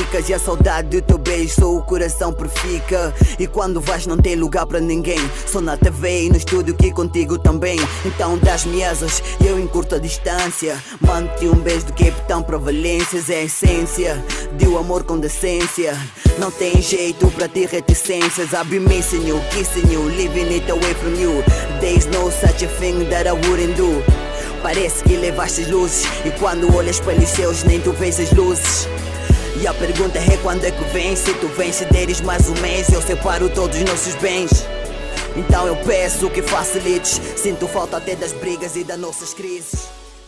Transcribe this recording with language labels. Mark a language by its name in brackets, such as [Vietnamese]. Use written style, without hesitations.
[Portuguese] E a saudade do teu beijo, o coração perfica. E quando vais não tem lugar pra ninguém. Sou na TV e no estúdio que contigo também. Então das-me asas, eu encurto a distância. Mando-te um beijo do Cape Town pra Valências. É a essência de um amor com decência. Não tem jeito pra ter reticências. [English] I'll be missing you, kissing you, living it away from you. There's no such a thing that I wouldn't do. [Portuguese] Parece que levaste as luzes. E quando olhas pelos céus nem tu vês as luzes. E a pergunta é quando é que vem. Se tu vens e deres mais um mês, eu separo todos os nossos bens. Então eu peço que facilites. Sinto falta até das brigas e das nossas crises.